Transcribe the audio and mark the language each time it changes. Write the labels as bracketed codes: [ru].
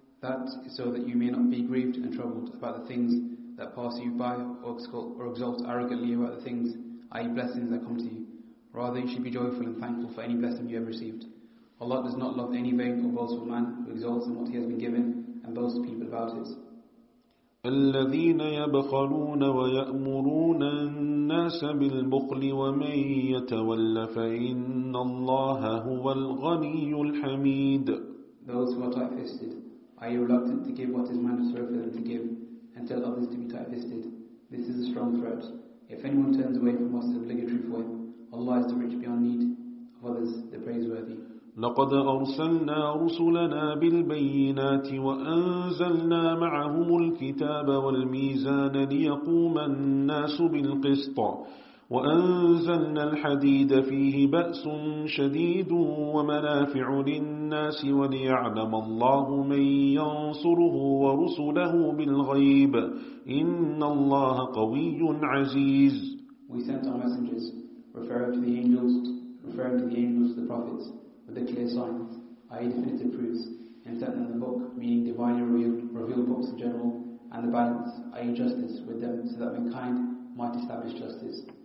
[en] That is so that you may not be grieved and troubled about the things that pass you by or exult arrogantly about the things, i.e. blessings that come to you. Rather, you should be joyful and thankful for any blessing you have received. Allah does not love any vain or boastful man who exalts in what he has been given and boasts to people about it. [ar] الذين يبخلون ويأمرون الناس بالبخل ومن يتول فإن الله هو الغني الحميد. [en] Those who are tight-fisted, are you reluctant to give what is mandatory for them to give and tell others to be tight-fisted? This is a strong threat. If anyone turns away from what is obligatory for him, Allah is the rich beyond need, of others the praiseworthy. [ar] لقد أرسلنا رسلنا بالبينات وأنزلنا معهم الكتاب والميزان ليقوم الناس بالقسط وأنزلنا الحديد فيه بأس شديد ومنافع للناس وليعلم الله من ينصره ورسله بالغيب إن الله قوي عزيز. [en] We sent our messengers, referring to the angels, the prophets, with the clear signs, i.e. definitive proofs, and sent them the book, meaning divinely revealed books in general, and the balance, i.e. justice, with them, so that mankind might establish justice.